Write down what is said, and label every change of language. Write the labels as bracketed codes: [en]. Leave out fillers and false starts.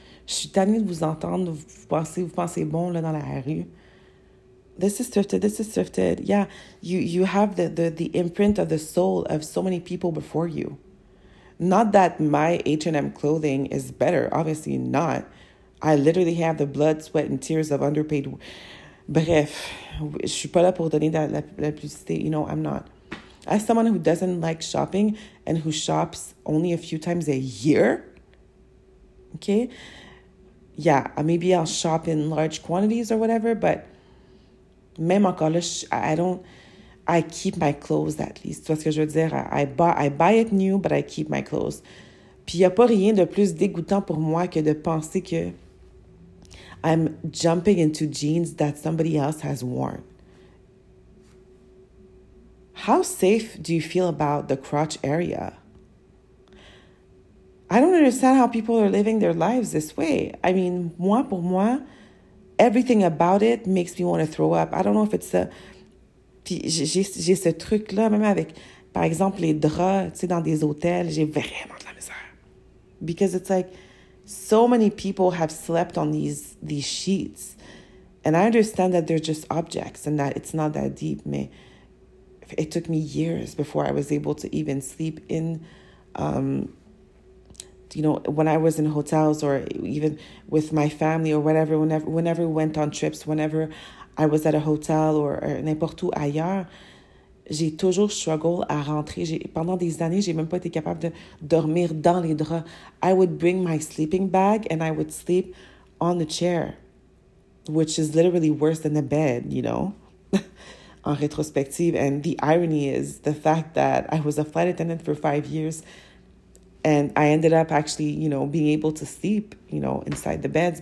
[fr] Je suis tannée de vous entendre, vous pensez bon là, dans la rue. [en] This is thrifted, this is thrifted. Yeah, you have the imprint of the soul of so many people before you. Not that my H&M clothing is better, obviously not. I literally have the blood, sweat, and tears of underpaid. [fr] Bref, je suis pas là pour donner la publicité. [en] You know, I'm not. As someone who doesn't like shopping and who shops only a few times a year, okay? Yeah, maybe I'll shop in large quantities or whatever, but [fr] même encore là, [en] I keep my clothes at least. [fr] Tu vois ce que je veux dire? [en] I buy it new, but I keep my clothes. [fr] Puis il n'y a pas rien de plus dégoûtant pour moi que de penser que [en] I'm jumping into jeans that somebody else has worn. How safe do you feel about the crotch area? I don't understand how people are living their lives this way. I mean, [fr] moi, pour moi, [en] everything about it makes me want to throw up. I don't know if it's a... [fr] Puis j'ai ce truc-là, même avec, par exemple, les draps, tu sais, dans des hôtels, j'ai vraiment de la misère. [en] Because it's like, so many people have slept on these sheets. And I understand that they're just objects and that it's not that deep. Mais it took me years before I was able to even sleep in... You know, when I was in hotels or even with my family or whatever, whenever we went on trips, whenever I was at a hotel or [fr] n'importe où ailleurs, j'ai toujours struggled à rentrer. Pendant des années, j'ai même pas été capable de dormir dans les draps. [en] I would bring my sleeping bag and I would sleep on the chair, which is literally worse than the bed, you know, [fr] en rétrospective. [en] And the irony is the fact that I was a flight attendant for 5 years. And I ended up actually, you know, being able to sleep, you know, inside the beds.